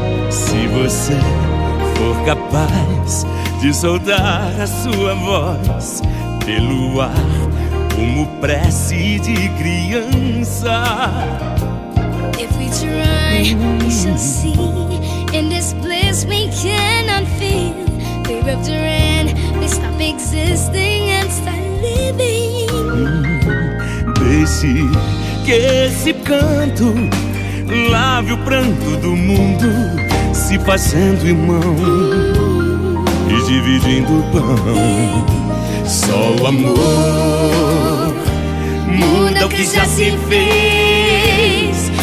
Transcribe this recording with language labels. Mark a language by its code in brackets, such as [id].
[pt] Se for capaz de soltar a sua voz pelo ar como prece de criança. [en] If we try, we shall see. In this bliss we cannot feel. We rupture and we stop existing and start living. [pt] Deixe que esse canto lave o pranto do mundo, se fazendo irmão e dividindo o pão. Só o amor muda o que já se fez.